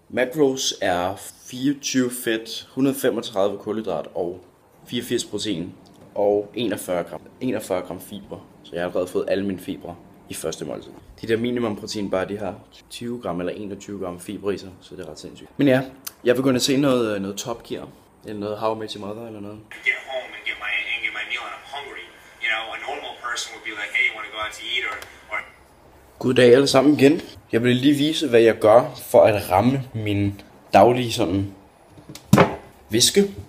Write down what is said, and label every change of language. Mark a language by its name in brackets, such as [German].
[Danish] Macros er 24 fedt, 135 kulhydrat og 84 protein. Og 41 gram fiber. Så jeg har allerede fået alle mine fiber i første måltid. De der Minimum Protein Bar, de har 20 gram eller 21 gram fiber i sig. Så det er ret sindssygt. Men ja. Jeg vil gå ind og se noget Top Gear, eller noget How I Met Your Mother, eller noget. [English] Get home and get my meal and I'm hungry. You know, a normal person would be like, hey, you want to go out to eat, or... [Danish] Goddag alle sammen igen. Jeg vil lige vise, hvad jeg gør for at ramme min daglige sådan viske.